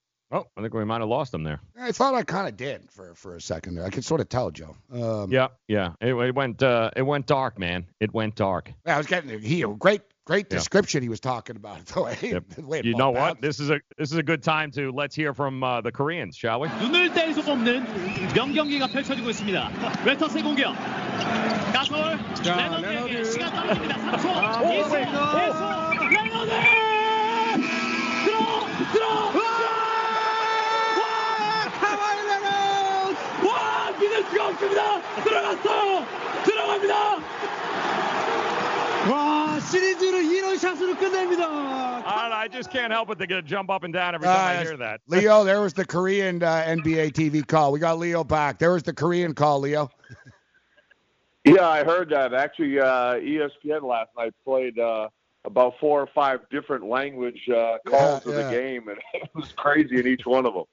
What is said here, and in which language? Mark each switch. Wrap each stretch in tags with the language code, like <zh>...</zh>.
<en>Oh, I think we might have lost him there. I thought I kind of did for a second there. I could sort of tell, Joe. Yeah. It went dark, man. It went dark. Yeah, I was getting he great description. Yeah. He was talking about the way. Yep. The way it you know out. This is a good time to let's hear from the Koreans, shall we?</en> <ko>눈을 뗄 수 없는 명경기가 펼쳐지고 있습니다. 웨터스의 공격. 가솔 레너드 시간 떨어집니다. 3초. 2초. 레너드 들어. 들어갑니다. 와, 시리즈를 이런 샷으로 끝냅니다.</ko> <en>I just can't help but to get a jump up and down every time I hear that. Leo, there was the Korean NBA TV call. We got Leo back. There was the Korean call, Leo. Yeah, I heard that. Actually, ESPN last night played about four or five different language calls of the game, and it was crazy in each one of them.</en>